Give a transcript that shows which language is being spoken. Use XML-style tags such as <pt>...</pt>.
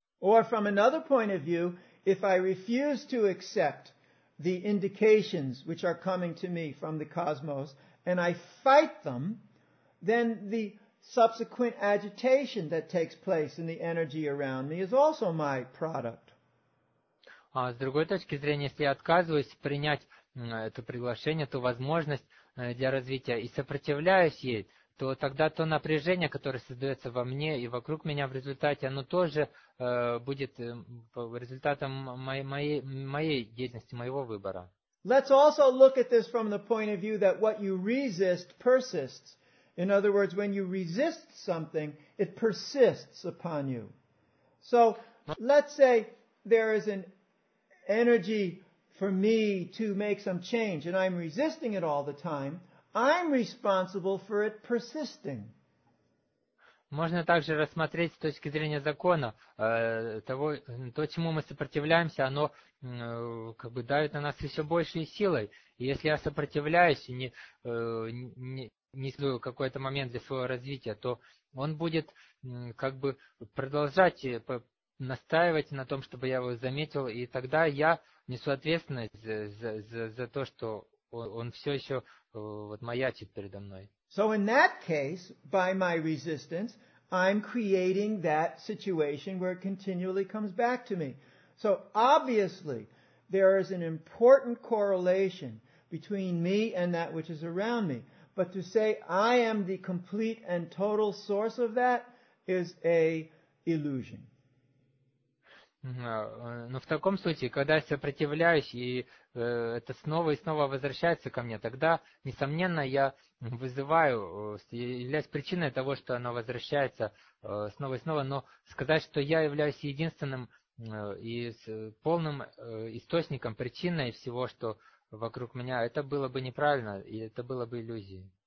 <en>Or from another point of view, if I refuse to accept the indications which are coming to me from the cosmos and I fight them, then the subsequent agitation that takes place in the energy around me is also my product.</en> <ru>А с другой точки зрения, если я отказываюсь принять это приглашение, ту возможность для развития и сопротивляюсь ей, то тогда то напряжение, которое создается во мне и вокруг меня в результате, оно тоже будет результатом моей деятельности, моего выбора.</ru> <en>Let's also look at this from the point of view that what you resist persists. In other words, when you resist something, it persists upon you. So, let's say there is an energy for me to make some change, and I'm resisting it all the time, I'm responsible for it persisting.</en> <ru>Можно также рассмотреть с точки зрения закона того, то, чему мы сопротивляемся, оно как бы давит на нас еще большей силой. И если я сопротивляюсь и не использую какой-то момент для своего развития, то он будет как бы продолжать настаивать на том, чтобы я его заметил, и тогда я несу ответственность за то, что он все еще вот маячит передо мной.</ru> <en>So in that case, by my resistance, I'm creating that situation where it continually comes back to me. So obviously, there is an important correlation between me and that which is around me. But to say I am the complete and total source of that is a illusion.</en> <ru>Но в таком случае, когда я сопротивляюсь, и это снова и снова возвращается ко мне, тогда, несомненно, я вызываю, являюсь причиной того, что оно возвращается снова и снова, но сказать, что я являюсь единственным и полным источником, причиной всего, что вокруг меня, это было бы неправильно, и это было бы иллюзией.</ru>